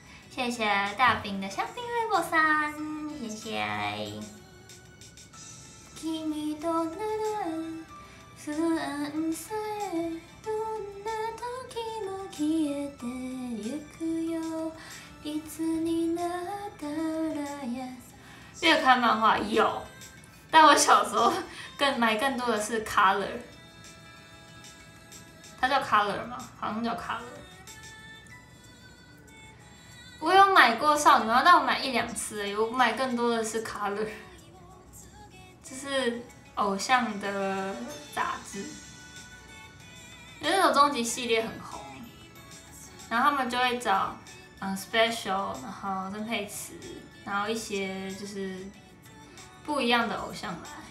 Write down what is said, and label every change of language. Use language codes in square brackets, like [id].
[zh] 谢谢大饼的香槟 level 三，谢谢。 [ja] 君となら不安さえどんな時も消えてゆくよ、いつになったらやす [zh] 看漫画？有，但我小时候更多的是 Color， 它叫 Color 吗？好像叫 Color。我有买过少女漫，但我买一两次而已。我买更多的是 Color， 就是偶像的杂志，因为那种终极系列很红，然后他们就会找special， 然后曾沛慈，然后一些就是不一样的偶像来。